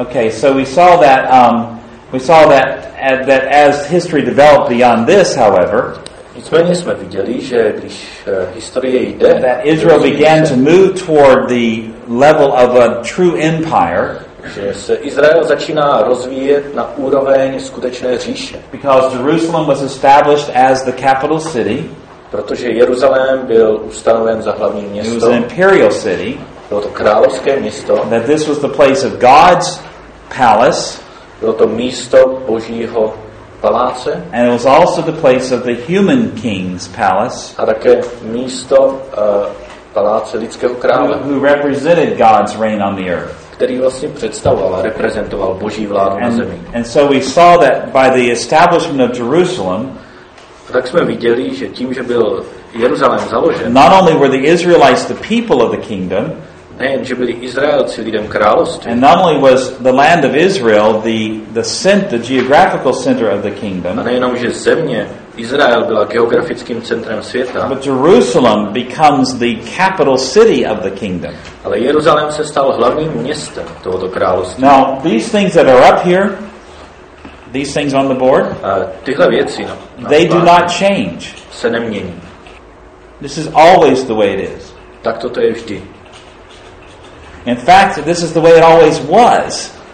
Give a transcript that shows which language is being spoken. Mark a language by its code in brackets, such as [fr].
[en] So we saw that that as history developed beyond this, however, [cs] nicméně jsme viděli, že když historie jde, [en] that Israel began to move toward the level of a true empire. [cs] Že se Izrael začíná rozvíjet na úroveň skutečné říše. [en] Because Jerusalem was established as the capital city. [cs] Protože Jeruzalém byl ustanoven za hlavní město. [en] It was an imperial city. [cs] Bylo to královské město. [en] That this was the place of God's palace. [cs] Bylo to místo Božího paláce. [en] And it was also the place of the human king's palace. [cs] A také místo paláce lidského krále. [en] Who represented God's reign on the earth. [cs] Který vlastně představoval a reprezentoval Boží vládu na zemi. [en] And so we saw that by the establishment of Jerusalem, [cs] tak jsme viděli, že tím, že byl Jeruzalém založen, [en] not only were the Israelites the people of the kingdom, [cs] nejen, že byli Izraelci lidem království, [en] and not only was the land of Israel the geographical center of the kingdom, [cs] a nejenom, že země Izrael byla geografickým centrem světa, [en] but Jerusalem becomes the capital city of the kingdom. [cs] Ale Jeruzalém se stal hlavním městem tohoto království. [en] Now, these things that are up here, these things on the board, [cs] tyhle věci, no, [en] they do not change. [cs] Se nemění. [en] This is always the way it is. [cs] Tak toto je vždy. [en] In fact, this is the way it always was.